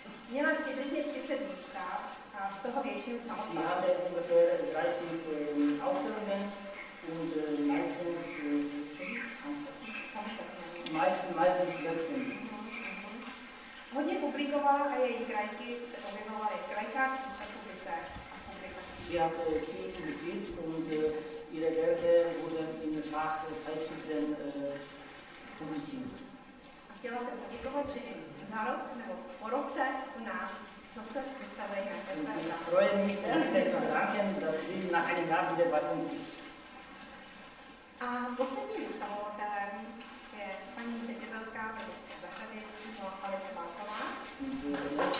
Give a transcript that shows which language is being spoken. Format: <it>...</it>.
<cs>Měla přibližně 30 výstav a z toho většinu samozřejmě.</cs> <de>Sie hatte ungefähr 30 Ausstellungen und meistens meistens selbstständig.</de> <cs>Hodně publikovala a její krajky se objevovaly v krajkářských časopisech a publikacích.</cs> <de>Sie hat viel publiziert und ihre Werke wurden in Fachzeitschriften publiziert.</de> <cs>A chtěla se poděkovat, že za rok nebo po roce u nás zase vystavili nějaké své práce.</cs> <de>Ich freue mich, dass Sie nach einem Jahr wieder bei uns ist.</de> <cs>A poslední vystavovatelem je paní ředitelka Vědecké zahrady přímo Alice Balková.</cs>